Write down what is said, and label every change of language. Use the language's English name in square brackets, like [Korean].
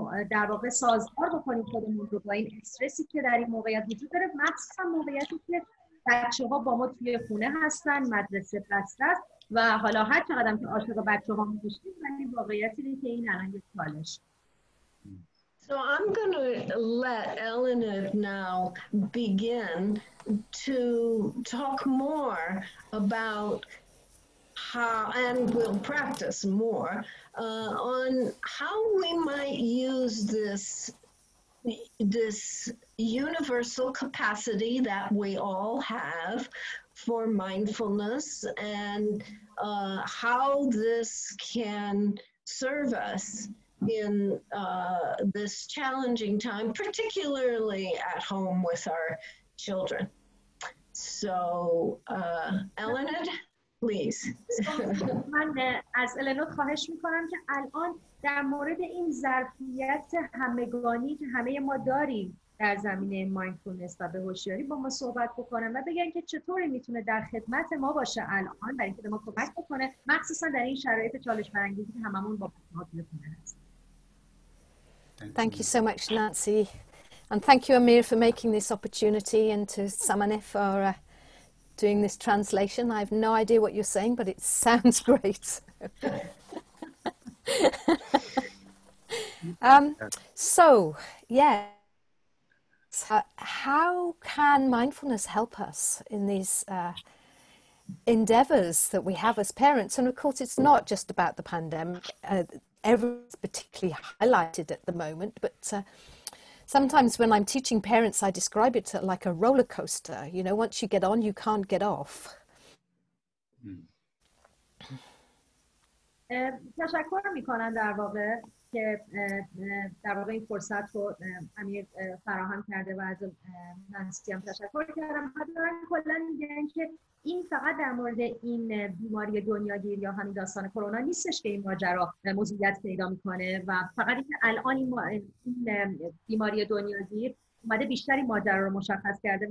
[Persian] در واقع سازگار بکنیم خودمون رو با این استرسی که در این موقعیت وجود داره، مخصوصا موقعیتی که بچه ها با ما توی خونه هستن، مدرسه بسته است و حالا هر چقدر که عاشق بچه ها میشیم، ولی واقعیت اینه که این الان یک چالش. [English] So I'm going to let Eluned now begin to talk more about how, and we'll practice more on how we might use this universal capacity that we all have for mindfulness, and how this can serve us in this challenging time, particularly at home with our children. So, Eluned, please. [Persian] من از Eluned خواهش میکنم که الان در مورد این ظرفیت همگانی که همه ما داریم در زمینه مایندفولنس و به هوشیاری با ما صحبت بکنن و بگن که چطوری میتونه در خدمت ما باشه الان برای اینکه به ما کمک بکنه، مخصوصا در این شرایط چالش برانگیزی که هممون با مشکل برخورد کردیم. [English] Thank you so much, Nancy, and thank you, Amir, for making this opportunity, and to Samane for doing this translation. I have no idea what you're saying, but it sounds great. So, yeah. How can mindfulness help us in these endeavors that we have as parents? And of course, it's not just about the pandemic. Everyone's particularly highlighted at the moment. But sometimes when I'm teaching parents, I describe it like a roller coaster. You know, once you get on, you can't get off. [Persian] تشکر میکنم در واقع که در واقع این فرصت رو امیر فراهم کرده و از نانسی هم تشکر کردم. حتما کلا میگن که این فقط در مورد این بیماری دنیاگیر یا همین داستان کرونا نیستش که این ماجرا موضوعیت پیدا میکنه، و فقط اینکه الان این بیماری دنیاگیر اومده بیشتری ماجرا رو مشخص کرده.